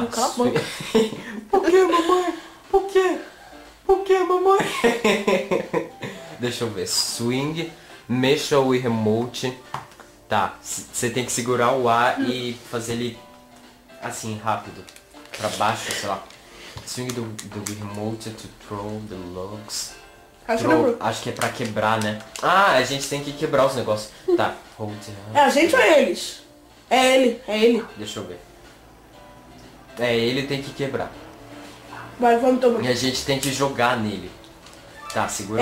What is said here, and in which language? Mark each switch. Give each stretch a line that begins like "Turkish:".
Portuguese: na capa. Por quê, mamãe? Por quê? Por quê, mamãe? Deixa eu ver. Swing, mexa o remote. Tá, você tem que segurar o A e fazer ele assim, rápido. Pra baixo, sei lá.
English: Swing do remote to throw the logs.
Portuguese: Acho que é pra quebrar, né? Ah, a gente tem que quebrar os negócios. Tá. Hold é a gente ou é eles? É ele, é ele. Deixa eu ver. É ele, tem que quebrar. Vai, vamos tomar. E a gente tem que jogar nele. Tá, segura